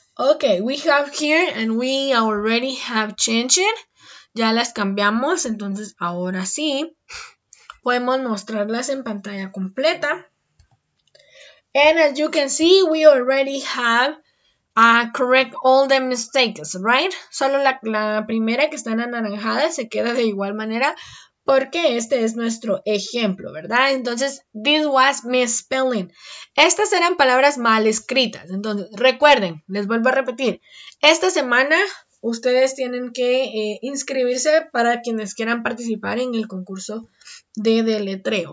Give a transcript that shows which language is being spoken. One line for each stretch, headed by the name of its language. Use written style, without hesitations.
English: Okay, we have here and we already have changed it.
Spanish: Ya las cambiamos, entonces ahora sí podemos mostrarlas en pantalla completa.
English: And as you can see, we already have correct all the mistakes, right?
Spanish: Solo la primera que está en anaranjada se queda de igual manera porque este es nuestro ejemplo, ¿verdad? Entonces,
English: this was misspelling.
Spanish: Estas eran palabras mal escritas. Entonces, recuerden, les vuelvo a repetir, esta semana ustedes tienen que inscribirse para quienes quieran participar en el concurso de deletreo.